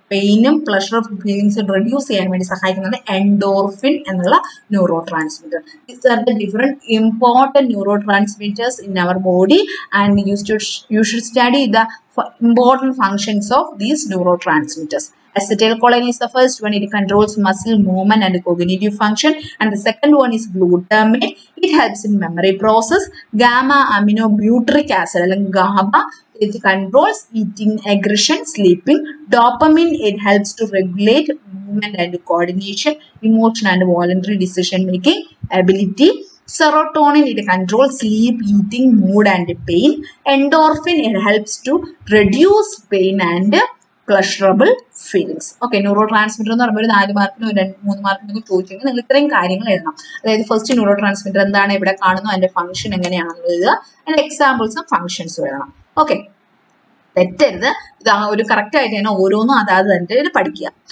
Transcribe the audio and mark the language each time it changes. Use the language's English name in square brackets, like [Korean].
[Malayalam] പെയിനും pleasurable ഫീലിംഗ്സും reduce ചെയ്യാൻ വേണ്ടി സഹായിക്കുന്നുണ്ട് എൻഡോർഫിൻ എന്നുള്ള neuro transmitter. [English] These are the different important neurotransmitters in our body and you should study the important functions of these neurotransmitters. Acetyl choline is the first one. It controls muscle movement and cognitive function. And the second one is glutamate. It helps in memory process. Gamma aminobutyric acid, like GABA, it controls eating, aggression, sleeping. Dopamine, it helps to regulate movement and coordination, emotion and voluntary decision making ability. Serotonin, it controls sleep, eating, mood and pain. Endorphin, it helps to reduce pain and pleasurable feelings. [Malayalam] Okay, neurotransmitter എന്ന് പറയുമ്പോൾ ഒരു 4 മാർക്കിനോ 2-3 മാർക്കിനോ ചോദിച്ചെങ്കിൽ നിങ്ങൾ ഇത്രയും കാര്യങ്ങൾ എഴുതണം. അതായത് first neuro transmitter എന്താണ്, ഇവിടെ കാണുന്നു, അതിന്റെ ഫംഗ്ഷൻ എങ്ങനെയാണെന്ന് എഴുതുക, അതിന്റെ എക്സാമ്പിൾസും ഫംഗ്ഷൻസും എഴുതണം. ഓക്കെ, തെറ്റരുത്, ഇത് ഒരു കറക്റ്റ് ആയിട്ട് തന്നെ ഓരോന്നും അതാത് തന്നെ ഇത് പഠിക്കുക.